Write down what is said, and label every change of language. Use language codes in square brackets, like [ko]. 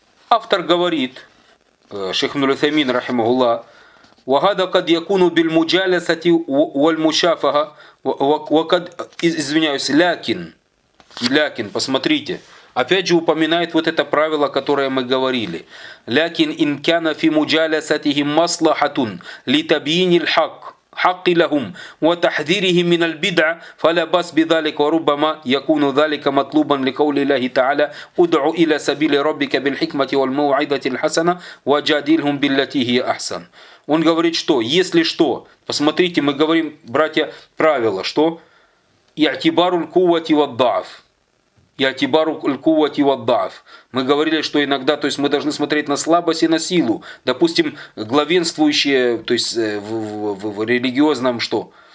[ru] Автор говорит, шейх Нур-Усеймин, рахимахуллах, [ar] وهذا قد يكون بالمجالسة والمشافهة وقد [ru] извиняюсь, [ar] لكن [ru] посмотрите, Опять же упоминает вот это правило, которое мы говорили. [ar] «Лякин инкяна фи муджалясатихим маслахатун литабьинил хак». حقي لهم وتحذيرهم من البدع فلا بأس بذلك وربما يكون ذلك مطلوبا لقول الله تعالى ادع الى سبيل ربك بالحكمة والموعظة الحسنة وجادلهم بالتي هي احسن. [ru] Он говорит, что если что, посмотрите, мы говорим, братья, правило, что [ar] ятибару ль-куввати вад-даъф. Ятибару ль-куввати вад-даъф. [ru] Мы говорили, что иногда, то есть мы должны смотреть на слабость и на силу. Допустим, главенствующие, то есть в религиозном, что?